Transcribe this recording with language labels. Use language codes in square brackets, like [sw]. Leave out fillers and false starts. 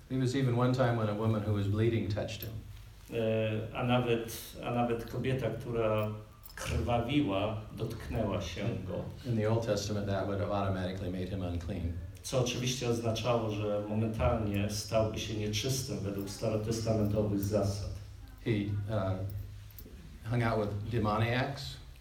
[en] There was even one time when a woman who was bleeding touched him. [pl] A nawet kobieta, która krwawiła, dotknęła się go. [en] In the Old Testament that would have automatically made him unclean. [pl] Co oczywiście oznaczało, że momentalnie stałby się nieczystym według starotestamentowych zasad. [en] He hung out with demoniacs.